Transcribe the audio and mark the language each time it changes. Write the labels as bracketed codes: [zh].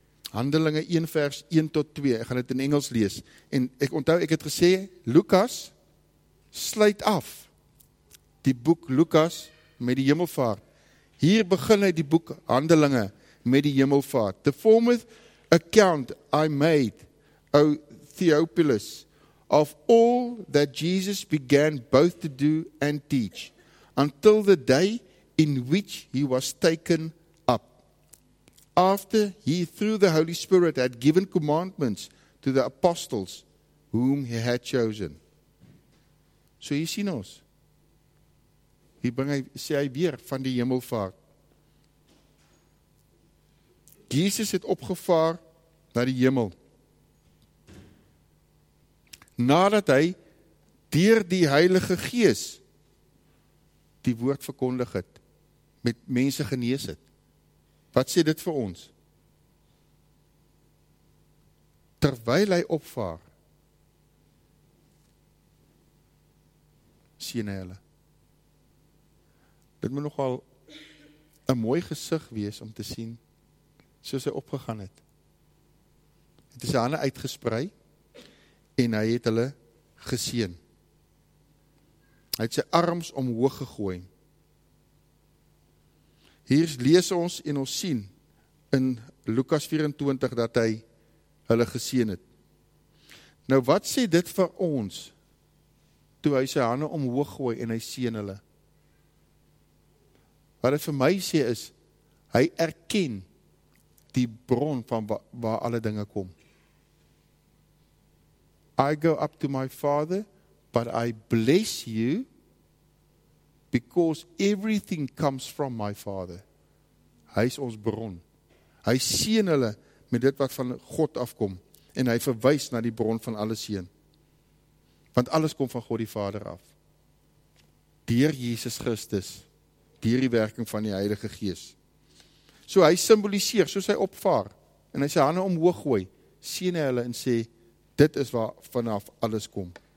[af] Handelinge 1 vers 1 tot 2. Ek gaan dit in Engels lees en ek onthou ek het gesê Lukas sluit af die boek Lukas met die hemelvaart. Hier begin hy die boek Handelinge met die hemelvaart. [en] The former account I made, O Theophilus, of all that Jesus began both to do and teach, until the day in which he was taken up, after he through the Holy Spirit had given commandments to the apostles whom he had chosen. [af] So hier sien ons, hier bring hy, sê hy weer van die hemelvaart. Jesus het opgevaar na die hemel. Nadat hy deur die Heilige Gees die woord verkondig het, met mense genees het. Wat sê dit vir ons? Terwyl hy opvaar, sien hy hulle. Dit moet nogal 'n mooi gesig wees om te sien soos hy opgegaan het. Het sy hande uitgesprei en hy het hulle geseën. Hy het sy arms omhoog gegooi. Hier lees ons en ons sien in Lukas 24 dat hy hulle geseën het. Nou wat sê dit vir ons toe hy sy hande omhoog gooi en hy seën hulle? Wat het vir my sê is, hy erken die bron van waar alle dinge kom. [en] I go up to my Father, but I bless you because everything comes from my Father. [af] Hy is ons bron. Hy seën hulle met dit wat van God afkom en hy verwys na die bron van alle seën. Want alles kom van God die Vader af. Deur Jesus Christus, deur die werking van die Heilige Gees. So hy simboliseer, soos hy opvaar en hy sy hande omhoog gooi, seën hy hulle en sê, dit is waar vanaf alles kom.